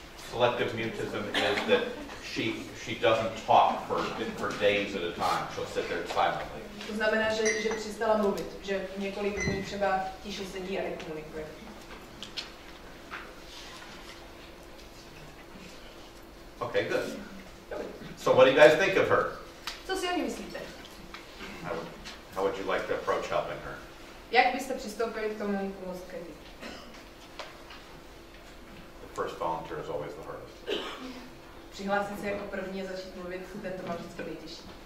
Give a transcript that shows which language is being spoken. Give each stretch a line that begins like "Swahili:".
English: Selective mutism is that she doesn't talk for days at a time. She'll sit there silently.
Czech: To znamená, že přestala mluvit, že několik dní třeba tiše sedí a nekomunikuje.
English: Okay, good. So what do you guys think of her?
Czech: Co si o ní myslíte?
English: How would you like to approach helping her?
Czech: Jak byste přistoupili k tomu pomoct Kathy?
English: First volunteer is always the hardest.
Czech: Přihlásit se jako první a začít mluvit, ten to má vždycky nejtěžší.